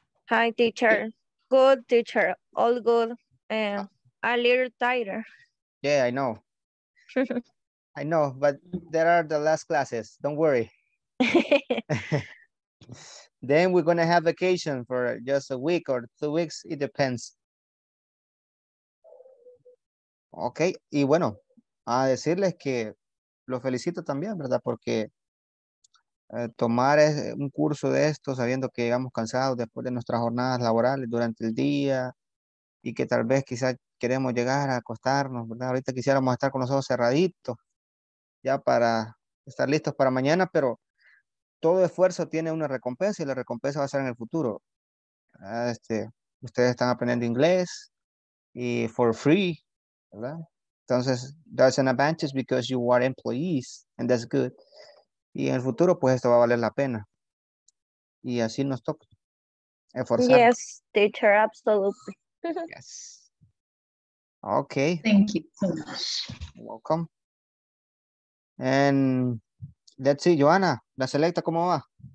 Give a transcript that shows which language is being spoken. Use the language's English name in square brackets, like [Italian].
[English] Hi, teacher. Good, teacher. All good. A little tired. Yeah, I know. I know, but there are the last classes. Don't worry. Then we're going to have vacation for just a week or 2 weeks. It depends. [Spanish] Ok, y bueno, a decirles que los felicito también, ¿verdad? Porque tomar un curso de esto sabiendo que llegamos cansados después de nuestras jornadas laborales durante el día y que tal vez quizás queremos llegar a acostarnos, ¿verdad? Ahorita quisiéramos estar con los ojos cerraditos ya para estar listos para mañana, pero todo esfuerzo tiene una recompensa y la recompensa va a ser en el futuro. Ustedes están aprendiendo inglés y [English] for free, [Spanish] ¿verdad? Entonces, [English] that's an advantage because you are employees and that's good. [Spanish] Y en el futuro, pues esto va a valer la pena. Y así nos toca esforzar. [English] Yes, teacher, absolutely. Yes. Okay. Thank you so much. Welcome. And let's see, Joanna, [Spanish] la selecta, ¿cómo va?